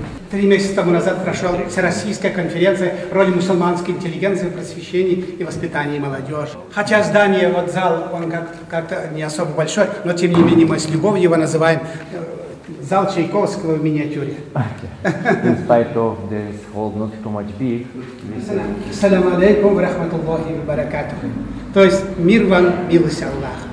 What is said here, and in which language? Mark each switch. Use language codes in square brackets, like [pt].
[ru] Три месяца тому назад прошла всероссийская конференция «Роль мусульманской интеллигенции в просвещении и воспитании молодежи». Хотя здание, вот зал, он как-то не особо большой, но тем не менее мы с любовью его называем зал Чайковского в миниатюре. [en] In spite of this hall not too much big. [ar] Ассаляму алейкум ва рахматуллахи ва баракатуху. [ru] То есть мир вам, милость Аллах.